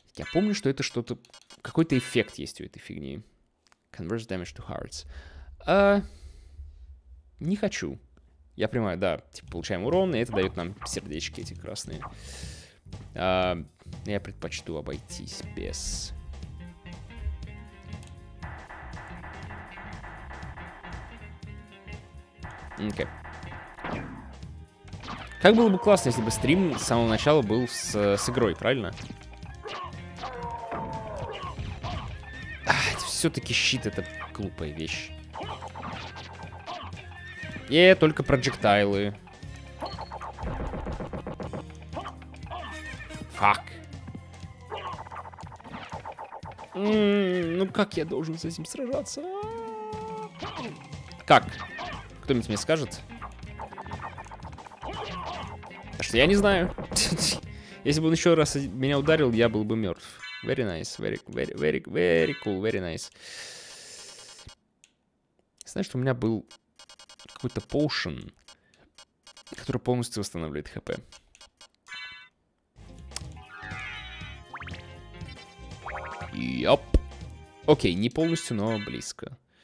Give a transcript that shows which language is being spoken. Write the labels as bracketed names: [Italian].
[Russian] Помню, что это что-то... Какой-то эффект есть у этой фигни. [English] Converse damage to hearts. [Russian] Не хочу. Я понимаю, да. Типа, получаем урон, и это дает нам сердечки эти красные. Я предпочту обойтись без... Окей. Как было бы классно, если бы стрим с самого начала был с игрой, правильно? Все-таки щит — это глупая вещь. И только проджектайлы. Фак. Ну как я должен с этим сражаться? Как? Кто-нибудь мне скажет? А что, я не знаю. Если бы он еще раз меня ударил, я был бы мертв. [English] Very nice, very cool, very nice. [Russian] Знаешь, что у меня был какой-то potion, который полностью восстанавливает хп. Йоп. Окей, не полностью, но близко.